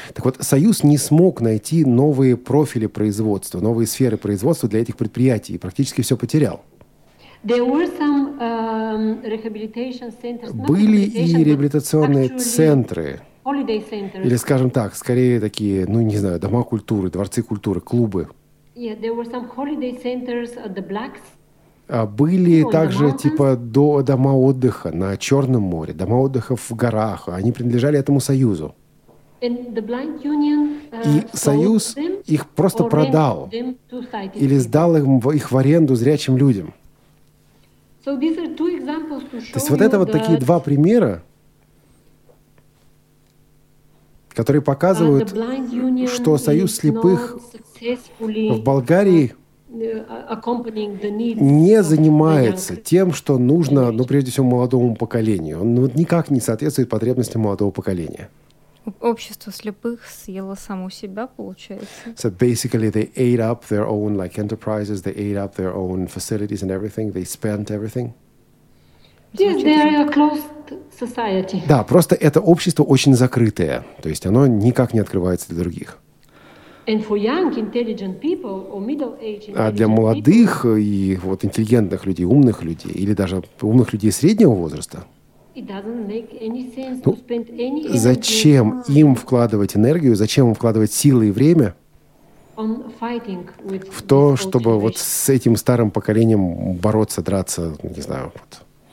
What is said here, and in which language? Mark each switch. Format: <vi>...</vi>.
<ru>Так вот, Союз не смог найти новые профили производства, новые сферы производства для этих предприятий и практически все потерял. Были и реабилитационные центры. Или, скажем так, скорее такие, ну не знаю, дома культуры, дворцы культуры, клубы.</ru> <en>Yeah, there were some holiday centers at the Blacks.</en> <ru>Были также типа дома отдыха на Черном море, дома отдыха в горах. Они принадлежали этому союзу.</ru> <en>And the blind union,</en> <ru>и союз их просто продал или сдал их в аренду зрячим людям.</ru> <en>So these are two examples to show.</en> <ru>То есть вот это вот такие два примера, которые показывают, что союз слепых в Болгарии не занимается тем, что нужно, ну, прежде всего, молодому поколению. Он никак не соответствует потребностям молодого поколения. Общество слепых съело само себя, получается.</ru> <en>So basically, they ate up their own, like, enterprises, they ate up their own facilities and everything, they spent everything. Yes, they are a closed society.</en> <ru>Да, просто это общество очень закрытое. То есть оно никак не открывается для других.</ru> <en>And for young, intelligent people or middle-aged intelligent people.</en> <ru>А для молодых и вот интеллигентных людей, умных людей или даже умных людей среднего возраста?</ru> <en>It doesn't make any sense to spend any energy.</en> <ru>Зачем им вкладывать энергию, зачем им вкладывать силы и время в то, чтобы вот с этим старым поколением бороться, драться, не знаю, вот.</ru>